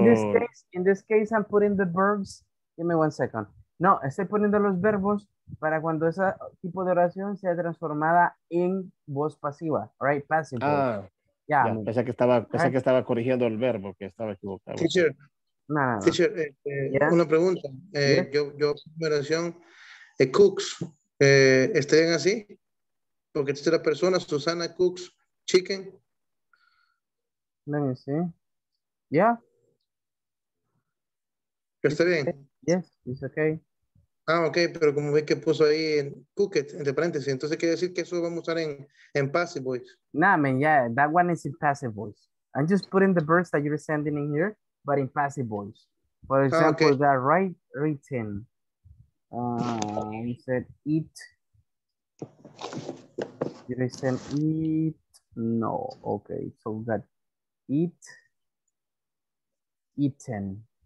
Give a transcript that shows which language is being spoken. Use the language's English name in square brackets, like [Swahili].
[English] no, in this case, I'm putting the verbs. Give me one second. [Spanish] No, estoy poniendo los verbos para cuando ese tipo de oración sea transformada en voz pasiva, right? [English] Passive. Ah, yeah. Yeah. [Spanish] Pensé que estaba corrigiendo el verbo, que estaba equivocado. Teacher, una pregunta. Yo mi oración, cooks, ¿estén así? Porque esta es la persona, Susana cooks chicken. [English] Let me see. Yeah. [Spanish] Está bien. [English] Yes, it's okay. [Spanish] Ah, okay, pero como ve que puso ahí en cooked, entre paréntesis, entonces quiere decir que eso vamos a usar en passive voice. [English] Nah, man, yeah, that one is in passive voice. I'm just putting the verbs that you're sending in here, but in passive voice. For example, that right written, you said eat. You said eat. No, okay, so that eat, eaten.